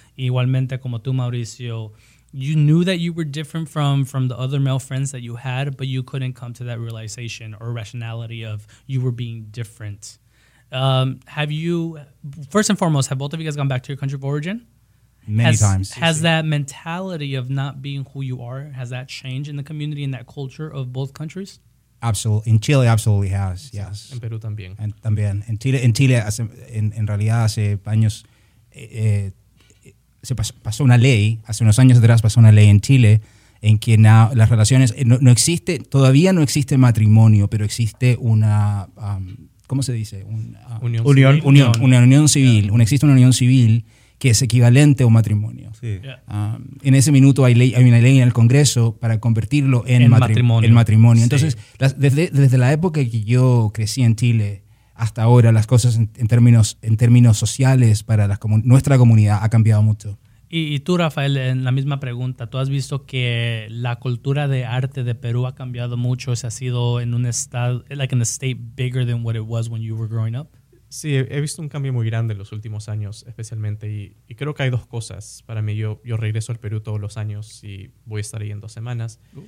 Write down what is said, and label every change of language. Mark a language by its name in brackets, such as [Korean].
[English] Igualmente como tú, Mauricio, you knew that you were different from the other male friends that you had, but you couldn't come to that realization or rationality of you were being different. Have you, first and foremost, have both of you guys gone back to your country of origin? Many times. Has that mentality of not being who you are, has that changed in the community and that culture of both countries? Absolutely. In Chile, absolutely has, yes. [Spanish] En Perú también. En Chile hace, en realidad hace años, se pasó una ley, hace unos años atrás pasó una ley en Chile en que las relaciones, no existe, todavía no existe matrimonio, pero existe una, ¿cómo se dice? Una unión civil. [English] Yeah. [Spanish] Existe una unión civil que es equivalente a un matrimonio. Sí. Yeah. En ese minuto hay una ley en el Congreso para convertirlo en matrimonio. Sí. Entonces, desde la época que yo crecí en Chile hasta ahora, las cosas en términos sociales para nuestra comunidad ha cambiado mucho. Y tú, Rafael, en la misma pregunta, ¿tú has visto que la cultura de arte de Perú ha cambiado mucho? [English] ¿Se ha sido en un estado, like in a state bigger than what it was when you were growing up? [Spanish] Sí, he visto un cambio muy grande en los últimos años, especialmente, y creo que hay dos cosas. Para mí, yo regreso al Perú todos los años y voy a estar ahí en dos semanas.